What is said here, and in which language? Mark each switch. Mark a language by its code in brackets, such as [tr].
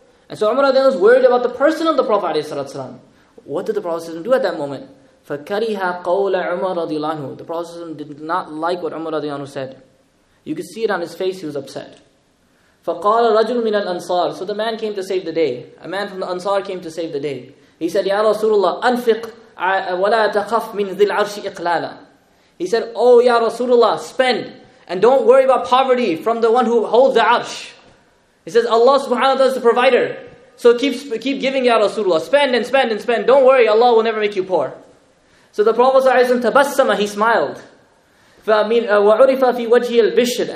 [en] And so Umar was worried about the person of the Prophet ﷺ. What did the Prophet ﷺ do at that moment? [ar] فَكَرِهَا قَوْلَ عُمَرَ رَضِي اللَّهُ. [en] The Prophet ﷺ did not like what Umar said. You could see it on his face, he was upset. [ar] فَقَالَ رَجُلٌ مِنَ الْأَنصَارِ. [en] So the man came to save the day. A man from the Ansar came to save the day. [ar] He said, يَا رَسُولُ اللَّهِ أَنْفِقْ وَلَا تَخَفْ مِنْ ذِي الْعَرْشِ إِقْلَالًا. [en] He said, oh, يَا رَسُولُ اللَّهِ, spend. And don't worry about poverty from the one who holds the arsh. He says, Allah subhanahu wa ta'ala is the provider. So keep giving, Ya Rasulullah. Spend and spend and spend. Don't worry, Allah will never make you poor. So the Prophet sallallahu alayhi wa sallam tabassama, he smiled. [ar] وَعُرِفَ فِي وَجْهِ الْبِشْرِ.